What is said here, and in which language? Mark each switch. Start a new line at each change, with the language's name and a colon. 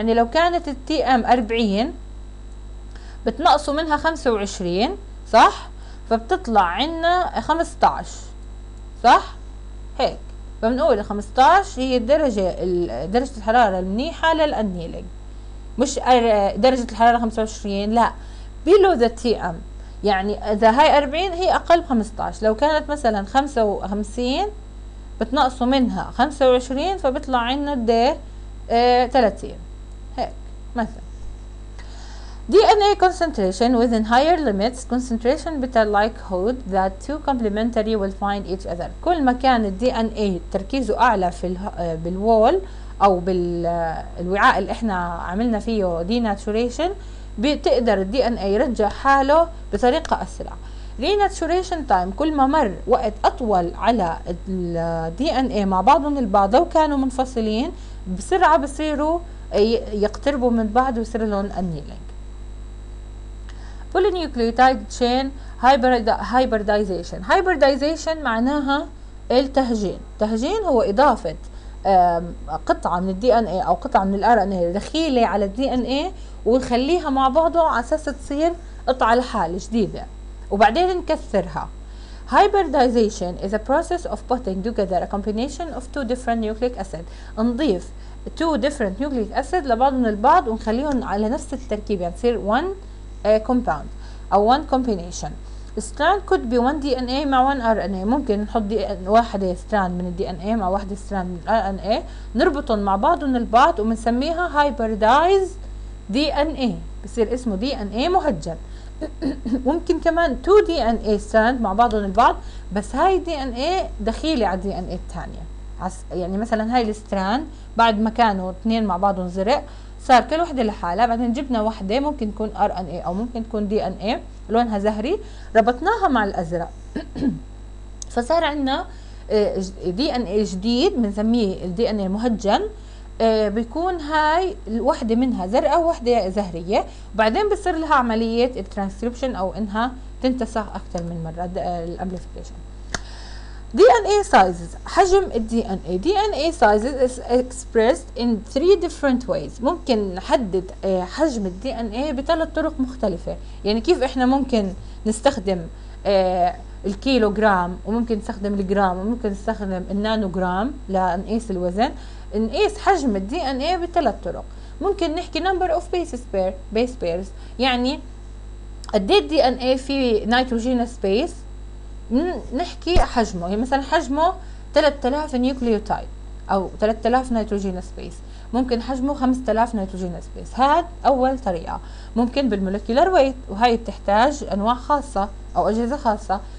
Arabic: يعني لو كانت الـ TM 40 بتنقصوا منها 25، صح؟ فبتطلع عنا 15، صح؟ هيك فبنقول 15 هي درجة الحرارة المنيحة للأنيلينج، مش درجة الحرارة 25، لا
English: below the TM.
Arabic: يعني إذا هاي 40 هي أقل ب 15، لو كانت مثلا 55 بتنقصوا منها 25 فبطلع عنا الدي 30 هيك مثلا.
English: DNA concentration within higher limits, concentration better likelihood that two complementary will find each other.
Arabic: كل ما كان الـ DNA تركيزه أعلى في بالوول أو بالوعاء اللي إحنا عملنا فيه denaturation بتقدر الـ DNA يرجع حاله بطريقة أسرع. Renaturation time كل ما مر وقت أطول على الـ DNA مع بعضهم البعض لو كانوا منفصلين بسرعة بصيروا يقتربوا من بعض ويصير لهم annealing.
English: Polynucleotide chain hybridization.
Arabic: Hybridization معناها التهجين. تهجين هو إضافة قطعة من الـ DNA أو قطعة من الـ RNA دخيلة على الـ DNA ونخليها مع بعضه على أساس تصير قطعة لحالة جديدة وبعدين نكثرها.
English: Hybridization is a process of putting together a combination of two different nucleic acids.
Arabic: نضيف
English: two different nucleic acids
Arabic: لبعضهم البعض ونخليهم على نفس التركيب، يعني تصير
English: one compound. أو one combination. strand could be one DNA مع one RNA.
Arabic: ممكن نحط دي واحدة strand من DNA مع واحدة strand من RNA نربطهم مع بعضهم البعض ومنسميها hybridized DNA. بصير اسمه DNA مهجن. ممكن كمان
English: two DNA strand
Arabic: مع بعضهم البعض, بس هاي DNA دخيلة على DNA الثانية. يعني مثلا هاي الستراند بعد ما كانوا اثنين مع بعضهم زرق صار كل وحده لحالها, بعدين جبنا وحده ممكن تكون ار ان اي او ممكن تكون دي ان اي لونها زهري ربطناها مع الازرق فصار عندنا دي ان اي جديد بنسميه الدي ان اي المهجن. بيكون هاي الوحده منها زرقاء وحده زهريه, وبعدين بصير لها عمليه الترانسكريبشن او انها تنتسخ اكثر من مره الامبليفيكيشن.
English: DNA sizes, حجم الـ DNA. DNA sizes is expressed in three different ways.
Arabic: ممكن نحدد حجم الـ DNA بثلاث طرق مختلفة. يعني كيف احنا ممكن نستخدم الكيلوغرام, وممكن نستخدم الجرام, وممكن نستخدم النانوغرام لنقيس الوزن. نقيس حجم الـ DNA بثلاث طرق. ممكن نحكي
English: number of bases pair, base pairs.
Arabic: يعني قد ايه الـ DNA في nitrogenous base, نحكي حجمه. يعني مثلا حجمه 3000 نيوكليوتايد او 3000 نيتروجين سبيس. ممكن حجمه 5000 نيتروجين سبيس. هاد اول طريقه. ممكن بالمولكيولر ويت, وهي بتحتاج انواع خاصه او اجهزه خاصه.